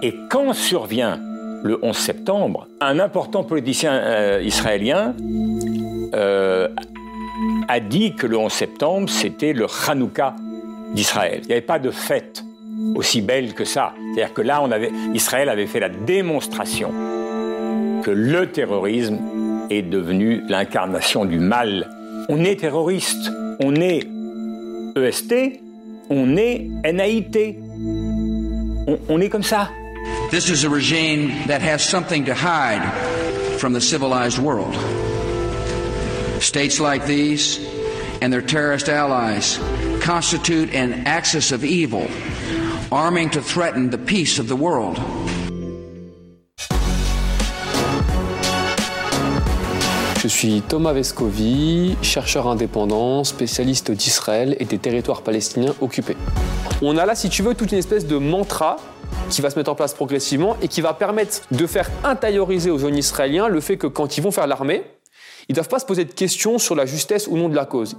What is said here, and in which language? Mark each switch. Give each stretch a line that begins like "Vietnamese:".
French: Et quand survient le 11 septembre, un important politicien israélien a dit que le 11 septembre, c'était le Hanouka d'Israël. Il n'y avait pas de fête aussi belle que ça. C'est-à-dire que là, Israël avait fait la démonstration que le terrorisme est devenu l'incarnation du mal. On est terroriste, on est EST, on est NAIT. On est comme ça.
English: This is a regime that has something to hide from the civilized world. States like these and their terrorist allies constitute an axis of evil, arming to threaten the peace of the world.
French: Je suis Thomas Vescovi, chercheur indépendant, spécialiste d'Israël et des territoires palestiniens occupés. On a là, si tu veux, toute une espèce de mantra qui va se mettre en place progressivement et qui va permettre de faire intérioriser aux jeunes israéliens le fait que quand ils vont faire l'armée, ils ne doivent pas se poser de questions sur la justesse ou non de la cause.